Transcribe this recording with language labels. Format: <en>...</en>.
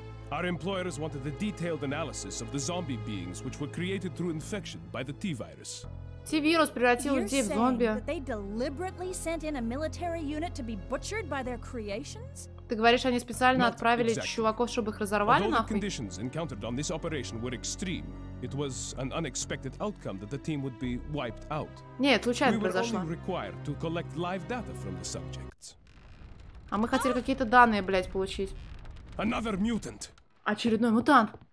<en>Our employers wanted a detailed analysis of the zombie beings which were created through infection by the T-virus.</en> <ru>T-вирус превратил людей в зомби.</ru> <en>You're saying that they deliberately sent in a military unit to be butchered by their creations?</en> <ru>Ты говоришь, они специально отправили чуваков, чтобы их разорвали нахуй?</ru> <en>Although the conditions encountered on this operation were extreme, it was an unexpected outcome that the team would be wiped out.</en> <ru>Нет, случайно произошло.</ru> <en>We were only required to collect live data from the subjects.</en> <ru>А мы хотели какие-то данные, блядь, получить.</ru> <en>Another mutant.</en> <ru>Очередной мутант.</ru>